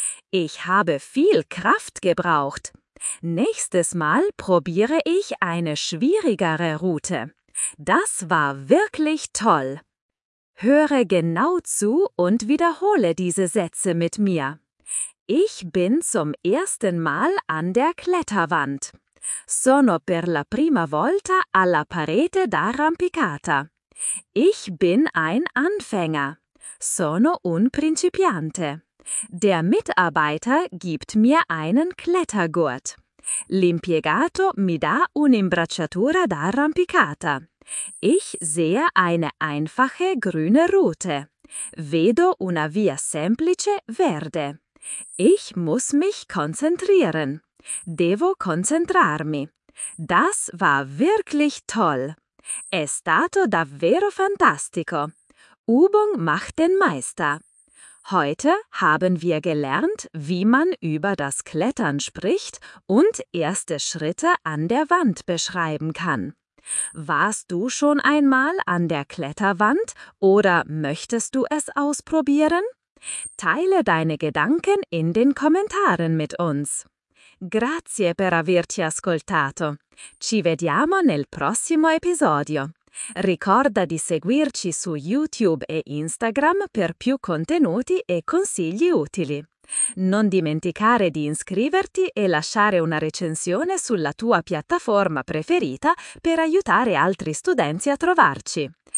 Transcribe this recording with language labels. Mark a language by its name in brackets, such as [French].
[German] Ich habe viel Kraft gebraucht. Nächstes Mal probiere ich eine schwierigere Route. Das war wirklich toll. Höre genau zu und wiederhole diese Sätze mit mir. Ich bin zum ersten Mal an der Kletterwand. [Italian] Sono per la prima volta alla parete d'arrampicata. [German] Ich bin ein Anfänger. [Italian] Sono un principiante. [German] Der Mitarbeiter gibt mir einen Klettergurt. [Italian] L'impiegato mi dà un'imbracciatura d'arrampicata. [German] Ich sehe eine einfache grüne Route. [Italian] Vedo una via semplice verde. [German] Ich muss mich konzentrieren. [Italian] Devo concentrarmi. [German] Das war wirklich toll. [Italian] È stato davvero fantastico. [German] Übung macht den Meister. Heute haben wir gelernt, wie man über das Klettern spricht und erste Schritte an der Wand beschreiben kann. Warst du schon einmal an der Kletterwand oder möchtest du es ausprobieren? Teile deine Gedanken in den Kommentaren mit uns. [Italian] Grazie per averti ascoltato. Ci vediamo nel prossimo episodio. Ricorda di seguirci su YouTube e Instagram per più contenuti e consigli utili. Non dimenticare di iscriverti e lasciare una recensione sulla tua piattaforma preferita per aiutare altri studenti a trovarci.